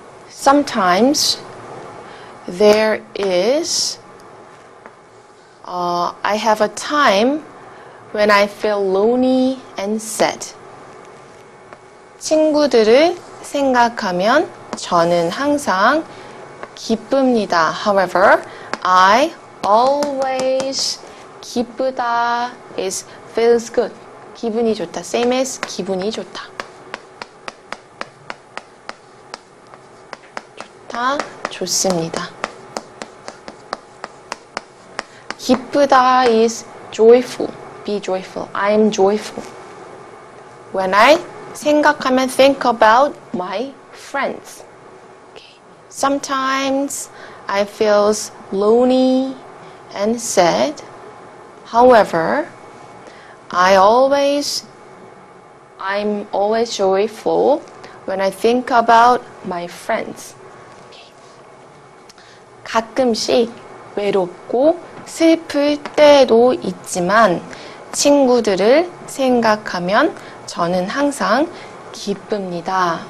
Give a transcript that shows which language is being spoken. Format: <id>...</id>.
<en>Sometimes there is I have a time when I feel lonely and sad.</en> <ko>친구들을 생각하면 저는 항상 기쁩니다.</ko> <en>However, I always 기쁘다 is feels good.</en> <ko>기분이 좋다.</ko> <en>Same as</en> <ko>기분이 좋다. 좋다. 좋습니다.</ko> <en>기쁘다 is joyful. Be joyful. I'm joyful. When I 생각하면 think about my friends. Okay. Sometimes I feels lonely and sad. However, I'm always joyful when I think about my friends. Okay.</en> <ko>가끔씩 외롭고 슬플 때도 있지만 친구들을 생각하면 저는 항상 기쁩니다.</ko>